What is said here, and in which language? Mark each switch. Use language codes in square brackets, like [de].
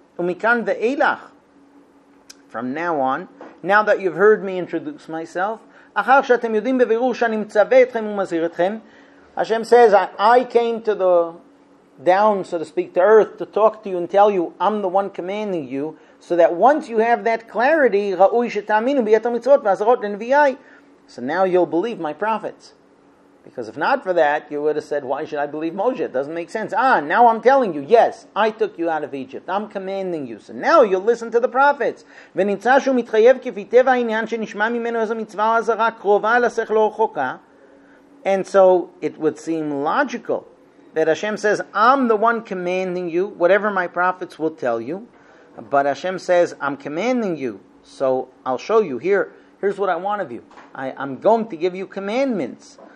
[he] ומכאן ואילך, [en] from now on, now that you've heard me introduce myself, [he] אחר שאתם יודעים בבירור שאני מצווה אתכם ומזהיר אתכם, [en] Hashem says, I came to the down, so to speak, to earth, to talk to you and tell you, I'm the one commanding you, so that once you have that clarity, [he] ראוי שתאמינו ביתר מצוות ועזרות לנביאי, [en] so now you'll believe my prophets. Because if not for that, you would have said, why should I believe Moshe? It doesn't make sense. Ah, now I'm telling you, yes, I took you out of Egypt. I'm commanding you. So now you'll listen to the prophets. [he] ונמצא שהוא מתחייב כפי טבע העניין שנשמע ממנו איזו מצווה הזרה קרובה לשכלו רחוקה. [en] And so it would seem logical that Hashem says, I'm the one commanding you, whatever my prophets will tell you. But Hashem says, I'm commanding you, so I'll show you. Here's what I want of you. I'm going to give you commandments.